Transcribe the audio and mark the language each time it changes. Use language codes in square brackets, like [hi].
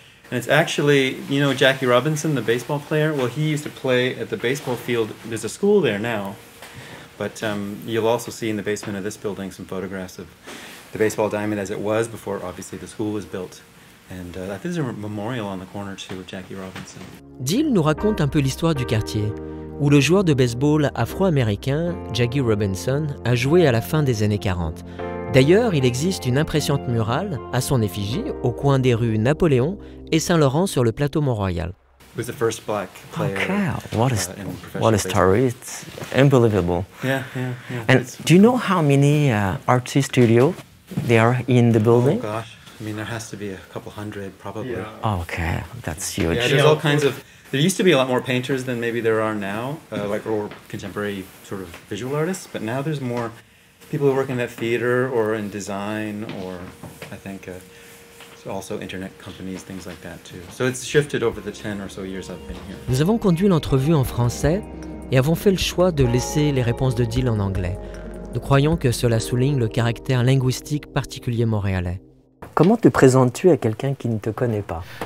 [en] And it's actually, you know, Jackie Robinson, the baseball player? Well, he used to play at the baseball field. There's a school there now. But you'll also see in the basement of this building some photographs of the baseball diamond as it was before, obviously, the school was built. And I think there's a memorial on the corner too with Jackie Robinson. [fr] Dale nous raconte un peu l'histoire du quartier, où le joueur de baseball afro-américain Jackie Robinson a joué à la fin des années 40. D'ailleurs, il existe une impressionnante murale à son effigie au coin des rues Napoléon et Saint-Laurent sur le plateau Mont-Royal. [en] He was the first black player. Oh, okay. What a story. It's unbelievable. Yeah. And do you know how many art studios there are in the building? Oh, gosh. I mean, there has to be a couple hundred, probably. Yeah. Okay, that's huge. Yeah, there's all kinds of... There used to be a lot more painters than maybe there are now, like or contemporary sort of visual artists, but now there's more people who work in that theater or in design or, I think, also internet companies, things like that, too. So it's shifted over the 10 or so years I've been here. [fr] Nous avons conduit l'entrevue en français et avons fait le choix de laisser les réponses de Dale en anglais. Nous croyons que cela souligne le caractère linguistique particulier montréalais. Comment te présentes-tu à quelqu'un qui ne te connaît pas?